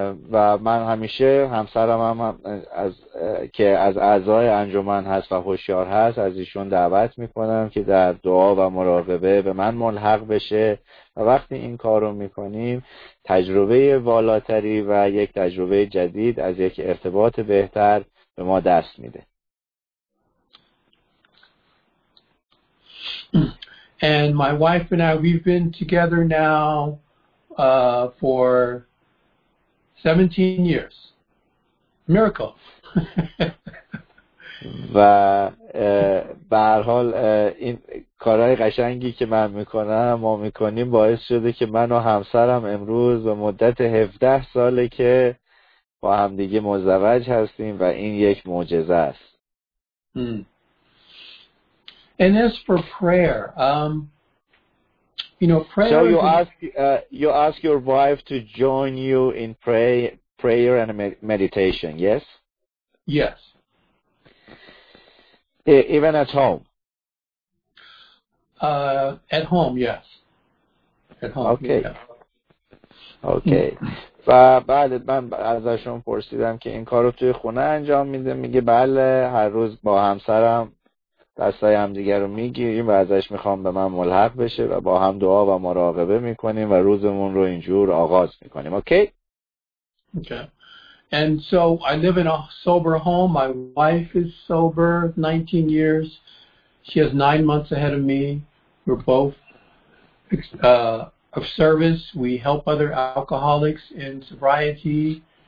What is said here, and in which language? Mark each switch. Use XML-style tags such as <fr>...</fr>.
<fa>و من همیشه همسرم هم از که از اعضای انجمن هست و هوشیار هست از ایشون دعوت میکنم که در دعا و مراقبه به من ملحق بشه و وقتی این کار رو میکنیم تجربه والاتری و یک تجربه جدید از یک ارتباط بهتر به ما دست میده.</fa> <en>And my wife and I, we've been together now for 17 years. Miracle.</en> <fa>و به هر حال این کارهای قشنگی که من میکنم ما میکنیم باعث شده که من و همسرم امروز به مدت 17 ساله که با هم دیگه مزدوج هستیم و این یک معجزه است.</fa> <en>And as for prayer, you know, prayer. So you ask your wife to join you in prayer and meditation. Yes. Yes. Even at home. At home, yes. At home. Okay. Yeah. Okay.</en> <fa>و بعد من ازشون پرسیدم که این کارو توی خونه انجام میده، میگه بله هر روز با همسرم دستای همدیگر رو میگیریم و ازش میخوام به من ملحق بشه و با هم دعا و مراقبه میکنیم و روزمون رو اینجور آغاز میکنیم.</fa> <en>Okay okay. And so I live in a sober home. My wife is sober 19 years. She has 9 months ahead of me. We're both of service. We help other alcoholics in sobriety.</en>